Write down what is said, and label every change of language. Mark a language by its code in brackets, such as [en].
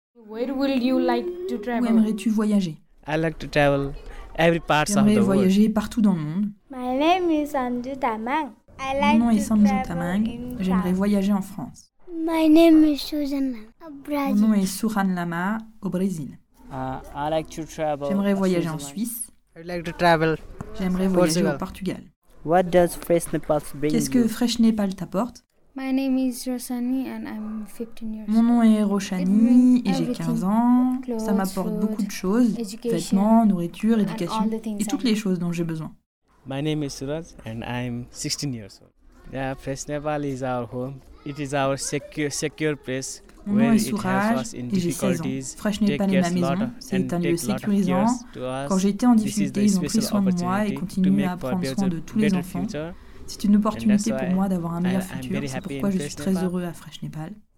[en] Where will you like to travel? [fr] Où aimerais-tu voyager? [en] I like to travel every part of the world. [fr] Voyager partout dans le monde. [en] My name is Sanju Tamang. I like [fr] Mon nom est Sanju Tamang. J'aimerais voyager en France. [en] My name is Susan Lama, Brazil. [fr] Mon nom est Suhan Lama au Brésil. [en] I like to travel. [fr] J'aimerais voyager en Suisse. [en] I like to travel. [fr] J'aimerais voyager au Portugal. [en] What does Fresh Nepal bring [fr] Qu'est-ce que Fresh Nepal t'apporte? [en] My name is Roshani and I'm 15 years old. [fr] Mon nom est Roshani et j'ai 15 ans. [en] Clothes, [fr] ça m'apporte [en] food, [fr] beaucoup de choses, vêtements, nourriture, éducation et toutes les choses dont j'ai besoin. [en] My name is Suraj and I'm 16 years old. Yeah, Fresh Nepal is our home. It is our secure place. [fr] Mon nom est Suraj et j'ai 16 ans. Fresh Nepal est ma maison, c'est un lieu sécurisant. Quand j'étais en difficulté, ils ont pris soin de moi et continuent à prendre soin de tous les enfants. C'est une opportunité pour moi d'avoir un meilleur futur, c'est pourquoi je suis très heureux à Fresh Nepal.